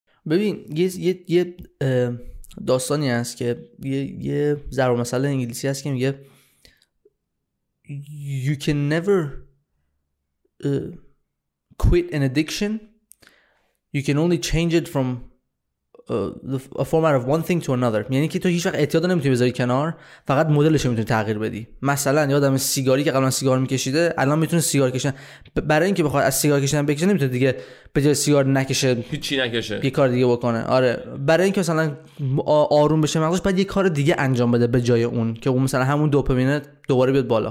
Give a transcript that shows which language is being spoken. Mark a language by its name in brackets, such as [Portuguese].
[Persian] ببین یه داستانی هست که یه ضرب المثل انگلیسی هست که میگه [English] You can never quit an addiction. You can only change it from a format of one thing to another. [Persian] یعنی که تو هیچ وقت اعتیاد نمیتونی بذاری کنار، فقط مدلش رو میتونی تغییر بدی. مثلا یادم سیگاری که قبلا سیگار میکشیده الان میتونه سیگار کشن، برای اینکه بخواد از سیگار کشیدن بکشه نمیتونه دیگه به جای سیگار نکشه، هیچی نکشه، یه کار دیگه بکنه. آره، برای اینکه مثلا آروم بشه مغزش بعد یه کار دیگه انجام بده به جای اون، که اون مثلا همون دوپامین دوباره بیاد بالا.